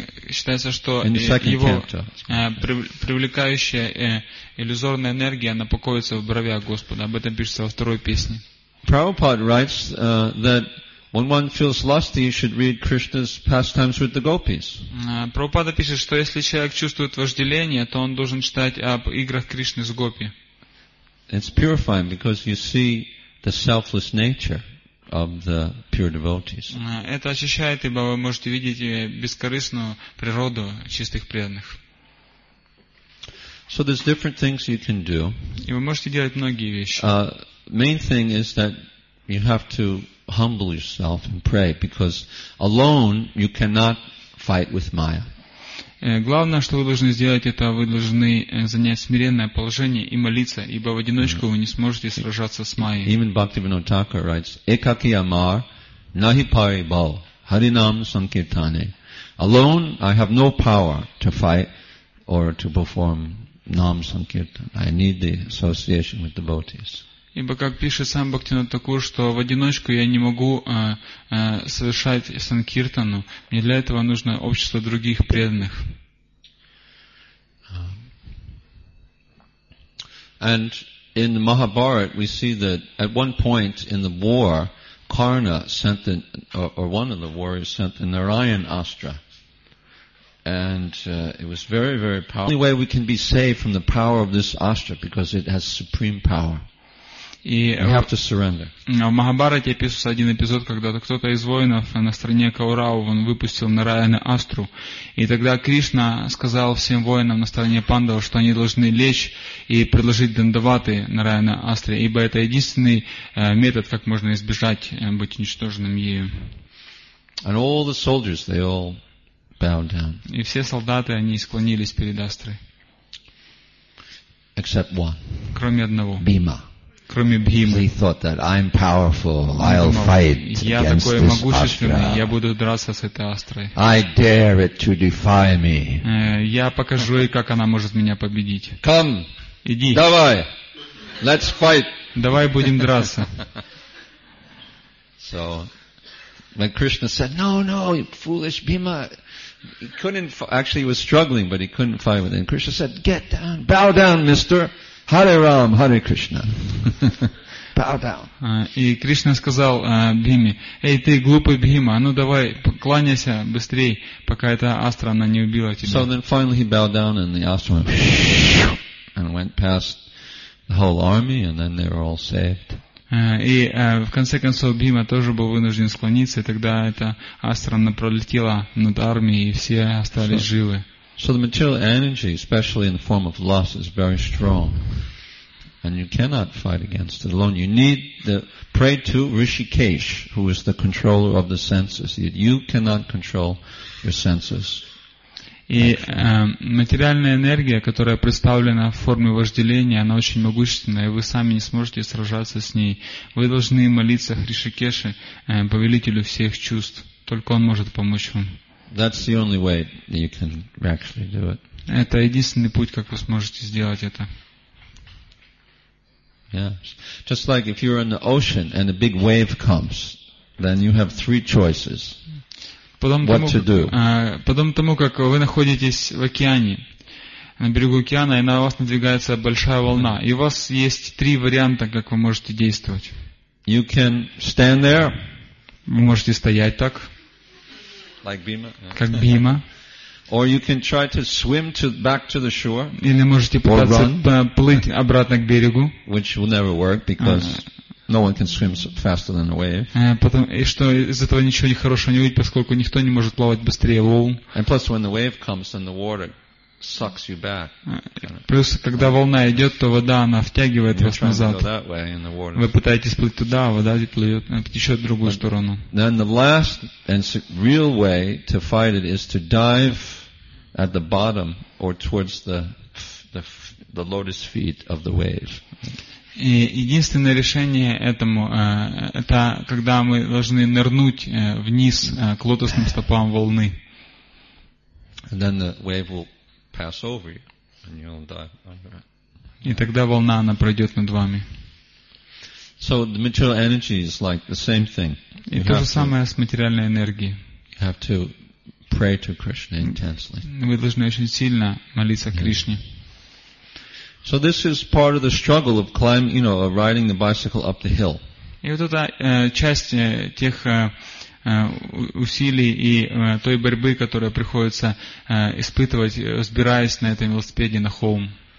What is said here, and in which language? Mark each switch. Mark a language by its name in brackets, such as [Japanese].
[Russian] Считается, что его привлекающая иллюзорная энергия, она покоится в бровях Господа. Об этом пишется во второй песне. [English] Prabhupada writes that when one feels lusty, you should read Krishna's pastimes with the gopis. [Russian] Prabhupada пишет, что если человек чувствует вожделение, то он должен читать об играх Кришны с гопи. [English] It's purifying because you see the selfless nature of the pure devotees. [Russian] Это очищает, ибо вы можете видеть бескорыстную природу чистых преданных. [English] So there's different things you can do. [Russian] И вы можете делать многие вещи. [English] Main thing is that you have to humble yourself and pray, because alone you cannot fight with Maya. [Russian] Главное, что вы должны сделать, это вы должны занять смиренное положение и молиться, ибо в одиночку вы не сможете сражаться с Майей. [English] Even Bhaktivinoda Thakur writes, [Bangla] Ekaki amar nahi pari bal harinam sankirtane. [English] Alone, I have no power to fight or to perform nam sankirtan. I need the association with devotees. [Russian] Ибо, как пишет сам Бхактивинода Такур, что в одиночку я не могу совершать санкиртану. Мне для этого нужно общество других преданных. [English] And in the Mahabharata we see that at one point in the war, Karna sent the, or one of the warriors sent the Narayan Astra. And it was very, very powerful. The only way we can be saved from the power of this Astra, because it has supreme power. You have to surrender. [Russian] В Махабхарате описывается один эпизод, когда кто-то из воинов на стороне Каурау он выпустил Нараяна Астру. И тогда Кришна сказал всем воинам на стороне Пандава, что они должны лечь и предложить дандаваты Нараяна Астре, ибо это единственный метод, как можно избежать быть уничтоженным ею. [English] And all the soldiers, they all bowed down. [Russian] И все солдаты, они склонились перед Астрой. [English] Except one. [Russian] Кроме одного. Бима. Кроме Бхимы. [English] He thought that I'm powerful, I'll fight against this Astra. [Russian] Я буду драться с этой Астрой. [English] I dare it to defy me. [Russian] Я покажу ей, как она может меня победить. [English] Come. [Russian] Иди. Давай. [English] Let's fight. [Russian] Давай будем драться. [English] So, when Krishna said, "No, no, you foolish Bhima," he couldn't. Actually, he was struggling, but he couldn't fight with him. Krishna said, "Get down, bow down, Mister." Hare Ram, Hare Krishna. Bow down. [Russian] И Кришна сказал Бхиме, эй, ты глупый Бхима, а ну давай, кланяйся быстрей, пока эта астра, она не убила тебя. [English] So then finally he bowed down and the astra went and went past the whole army and then they were all saved. [Russian] И в конце концов Бхима тоже был вынужден склониться, и тогда эта астра, она пролетела над армией и все остались живы. [English] So the material energy, especially in the form of lust, is very strong. And you cannot fight against it alone. You need to pray to Rishikesh, who is the controller of the senses. You cannot control your senses. [Russian] И материальная энергия, которая представлена в форме вожделения, она очень могущественная, и вы сами не сможете сражаться с ней. Вы должны молиться Ришикеше, повелителю всех чувств. Только он может помочь вам. [English] That's the only way that you can actually do it. [Russian] Это единственный путь, как вы сможете сделать это. [English] Yes. Just like if you're in the ocean and a big wave comes, then you have three choices. What to do? [Russian] Потом тому, как вы находитесь в океане, на берегу океана, и на вас надвигается большая волна, и у вас есть три варианта, как вы можете действовать. [English] You can stand there. [Russian] Вы можете стоять так. [English] Like Bhima. [Russian] Как Бхима. [English] Or you can try to swim to back to the shore. [Russian] Или можете пытаться плыть обратно к берегу. [English] Which will never work because no one can swim faster than a wave. [Russian] И что из этого ничего нехорошего не выйдет, поскольку никто не может плавать быстрее волн. [English] And plus, when the wave comes, then the water sucks you back. [Russian] Плюс, когда волна идет, то вода она втягивает вас назад. Вы пытаетесь плыть туда, а вода плывет, течет в другую сторону. [English] Then the last and real way to fight it is to dive at the bottom or towards the lotus feet of the wave. [Russian] И единственное решение этому это когда мы должны нырнуть вниз к лотосным стопам волны. [English] And then the wave will pass over you, and you'll die under it. [Russian] И тогда волна она пройдет над вами. [English] So the material energy is like the same thing. [Russian] И то же самое с материальной энергией. [English] You have to pray to Krishna intensely. [Russian] Вы должны очень сильно молиться Кришне. [English] So this is part of the struggle of climbing, you know, of riding the bicycle up the hill. [Russian] И вот это часть тех усилий и той борьбы, которую приходится испытывать, взбираясь на этом велосипеде на холм.